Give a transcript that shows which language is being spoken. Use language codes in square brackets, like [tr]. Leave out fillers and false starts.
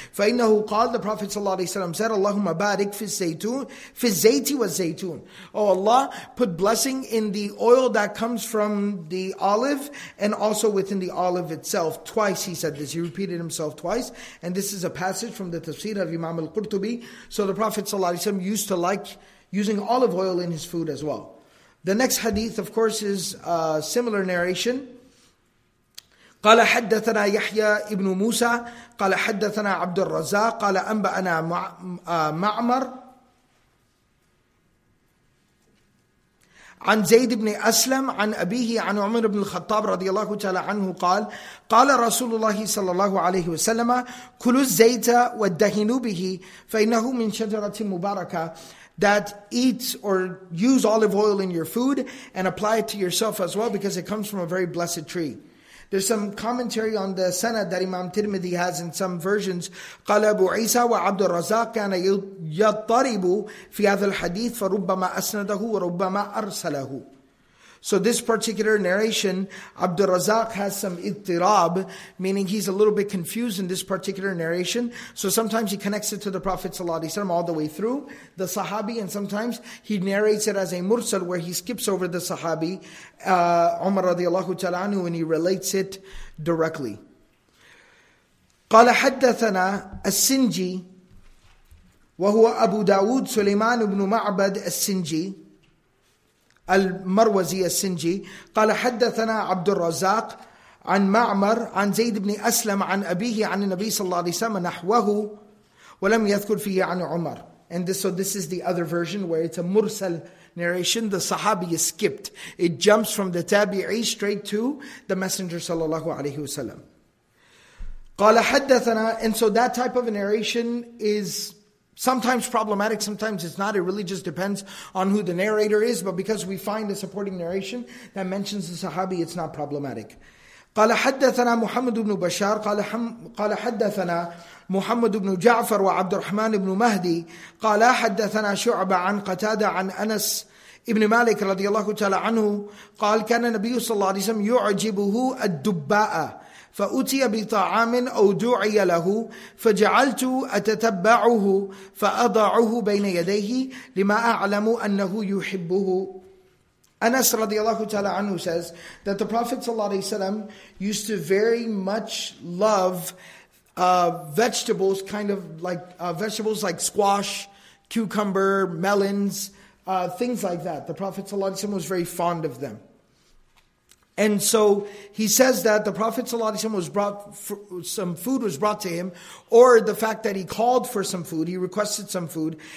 [ar] فَإِنَّهُ قَالَ, [en] the Prophet sallallahu alayhi wa sallam said, [ar] اللَّهُمَّ بَارِكْ فِي الزَّيْتِ وَالزَّيْتُونَ, [en] oh Allah, put blessing in the oil that comes from the olive and also within the olive itself. Twice he said this. He repeated himself twice. And this is a passage from the tafsir of Imam Al-Qurtubi. So the Prophet ﷺ used to like using olive oil in his food as well. The next hadith, of course, is a similar narration. [ar] قال حدثنا يحيى ابن موسى قال حدثنا عبد الرزاق قال أنبأنا معمر عن زيد بن أسلم عن أبيه عن عمر بن الخطاب رضي الله تعالى عنه قال قال رسول الله صلى الله عليه وسلم كلوا الزيت ودهنوا به فإنه من شجرة مباركة. [en] That eats or use olive oil in your food and apply it to yourself as well, because it comes from a very blessed tree. There's some commentary on the sanad that Imam Tirmidhi has in some versions. [ar] قال أبو عيسى وعبد الرزاق كان يضطرب في هذا الحديث فربما أسنده وربما أرسله. [en] So this particular narration, Abd al-Razzaq has some ittirab, meaning he's a little bit confused in this particular narration. So sometimes he connects it to the Prophet ﷺ all the way through the Sahabi, and sometimes he narrates it as a mursal where he skips over the Sahabi, Umar radiallahu ta'ala anhu, and he relates it directly. [ar] قَالَ حَدَّثَنَا السِّنْجِي وَهُوَ أَبُو دَاوُدْ سُلَيْمَانُ بْنُ مَعْبَدْ السِّنْجِي المروزي السنجي قال حدثنا عبد الرزاق عن معمر عن زيد بن أسلم عن أبيه عن النبي صلى الله عليه وسلم نحوه ولم يذكر فيه عن عمر. [en] And this, so this is the other version where it's a mursal narration. The Sahabi is skipped. It jumps from the Tabi'i straight to the Messenger صلى الله عليه وسلم. [ar] قال حدثنا. [en] And so that type of narration is sometimes problematic, sometimes it's not. It really just depends on who the narrator is. But because we find a supporting narration that mentions the Sahabi, it's not problematic. [ar] قال حدثنا محمد بن بشار قال حدثنا محمد بن جعفر وعبد الرحمن بن مهدي قال حدثنا شعبة عن قتادة عن أنس ابن مالك رضي الله تعالى عنه قال كان النبي صلى الله عليه وسلم يعجبه الدباء فأتي بطعام أو دعي له فجعلت أتتبعه فأضعه بين يديه لما أعلم أنه يحبه. [en] Anas radiallahu ta'ala anhu says that the Prophet sallallahu alayhi wa sallam used to very much love vegetables, kind of like vegetables like squash, cucumber, melons, things like that. The Prophet sallallahu alayhi wa sallam was very fond of them. And so he says that the Prophet ﷺ was brought, some food was brought to him, or the fact that he called for some food, he requested some food.